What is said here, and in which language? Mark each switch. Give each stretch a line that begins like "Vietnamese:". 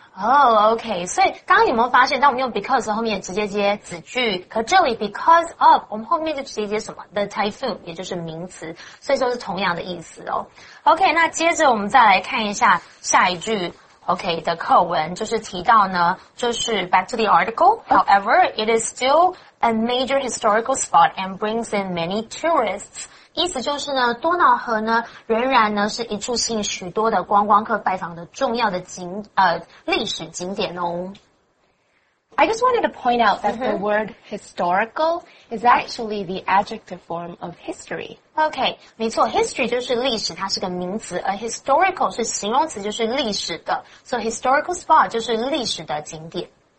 Chinese: Oh, okay. 所以刚刚有没有发现当我们用 because 后面直接接子句，可这里 because of, 我们后面就直接接什么 the typhoon, 也就是名词，所以说是同样的意思哦。 Okay, 那接着我们再来看一下下一句。
English: OK,
Chinese: 的课文就是提到呢，就是
English: back to the article, however, it is still a major historical spot and brings in many tourists.
Chinese: 意思就是呢，多瑙河呢，仍然呢是一处吸引许多的观光客拜访的重要的历史景点哦。
English: I just wanted to point out that the word historical is actually the adjective form of history.
Chinese: Okay, 没错 ,history 就是历史它是个名词而 historical 是形容词就是历史的。 So historical spot 就是历史的景点。